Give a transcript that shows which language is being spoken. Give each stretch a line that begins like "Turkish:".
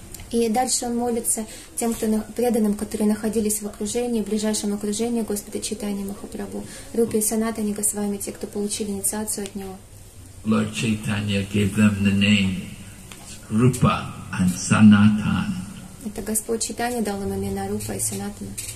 Russian: И дальше он молится тем, кто преданным, которые находились в окружении, в ближайшем окружении Господа Чайтаньи Махапрабху, Рупи и Санатани Госвами, те, кто получили инициацию от него.
English: Lord Chaitanya gave them the name Rupa and Sanatan.
Russian: Это Господь Чайтанья дал им имена Рупа и Санатана.